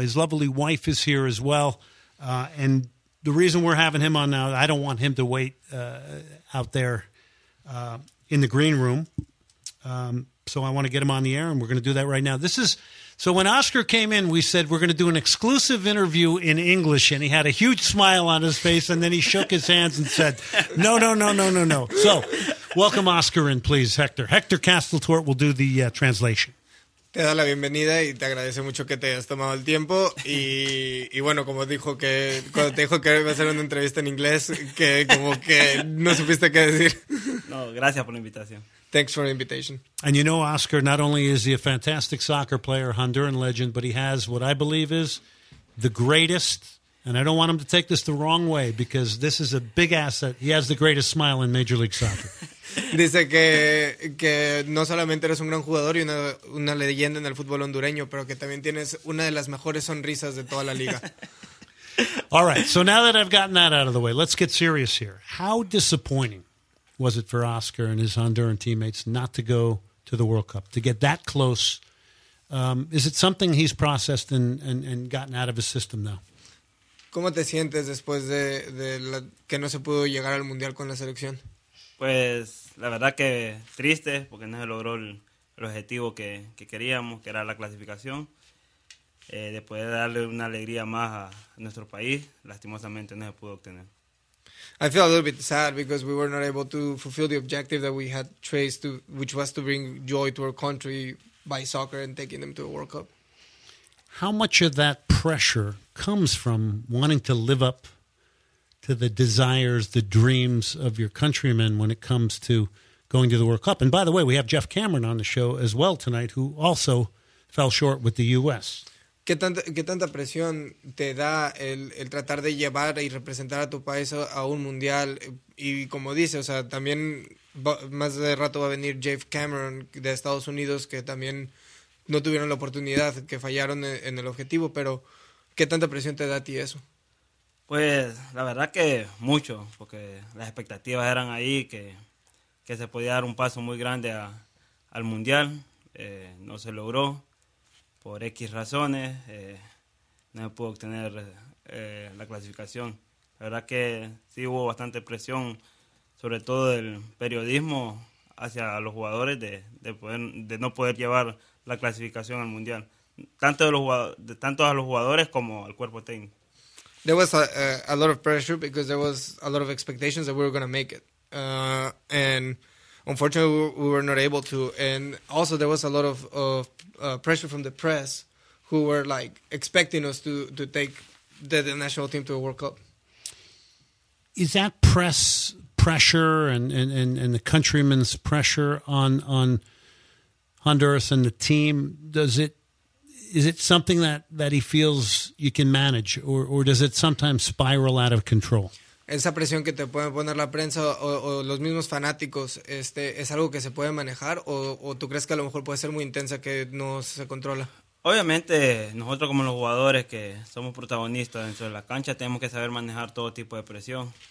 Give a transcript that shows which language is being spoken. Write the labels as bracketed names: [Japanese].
[English] His lovely wife is here as well. And the reason we're having him on now, I don't want him to wait out there in the green room. So I want to get him on the air, and we're going to do that right now. This is so when Oscar came in, we said we're going to do an exclusive interview in English, and he had a huge smile on his face, and then he shook his hands and said, no, no, no, no, no, no. So welcome Oscar in, please, Hector. Hector Casteltort will do the translation. [Spanish] Te da la bienvenida y te agradece mucho que te hayas tomado el tiempo. Y bueno, como dijo que cuando te dijo que iba a hacer una entrevista en inglés, que como que no supiste qué decir. No, gracias por la invitación. [English] Thanks for the invitation. And you know, Oscar, not only is he a fantastic soccer player, Honduran legend, but he has what I believe is the greatest, and I don't want him to take this the wrong way because this is a big asset. He has the greatest smile in Major League Soccer. [Spanish] Dice que no solamente eres un gran jugador y una leyenda en el fútbol hondureño, pero que también tienes una de las mejores sonrisas de toda la liga. [English] All right, so now that I've gotten that out of the way, let's get serious here. How disappointing was it for Oscar and his Honduran teammates not to go to the World Cup, to get that close? Is it something he's processed and gotten out of his system now? [Spanish] ¿Cómo te sientes después de que no se pudo llegar al Mundial con la selección? Pues la verdad que triste porque no se logró el objetivo que queríamos, que era la clasificación. Después de darle una alegría más a nuestro país, lastimosamente no se pudo obtener. [English] I feel a little bit sad because we were not able to fulfill the objective that we had traced to, which was to bring joy to our country by soccer and taking them to a World Cup. How much of that pressure comes from wanting to live up to the desires, the dreams of your countrymen when it comes to going to the World Cup? And by the way, we have Jeff Cameron on the show as well tonight, who also fell short with the U.S. [Spanish] ¿Qué tanta presión te da el tratar de llevar y representar a tu país a un mundial? Y como dice, o sea, también más de rato va a venir Jeff Cameron de Estados Unidos, que también no tuvieron la oportunidad, que fallaron en el objetivo, pero ¿qué tanta presión te da a ti eso? Pues la verdad que mucho, porque las expectativas eran ahí, que se podía dar un paso muy grande al mundial. No se logró por X razones, no se pudo obtener la clasificación. La verdad que sí hubo bastante presión, sobre todo del periodismo hacia los jugadores de no poder llevar la clasificación al mundial, tanto a los jugadores como al cuerpo técnico. [English] There was a lot of pressure because there was a lot of expectations that we were going to make it. And unfortunately, we were not able to. And also, there was a lot of pressure from the press who were, like, expecting us to take the national team to a World Cup. Is that press pressure and the countrymen's pressure on Honduras and the team, is it something that he feels you can manage, or does it sometimes spiral out of control? [Spanish] Esa presión que te puede poner la prensa o los mismos fanáticos, ¿es algo que se puede manejar o tú crees que a lo mejor puede ser muy intensa, que no se controla? Obviamente, nosotros como los jugadores que somos protagonistas dentro de la cancha, tenemos que saber manejar todo tipo de presión.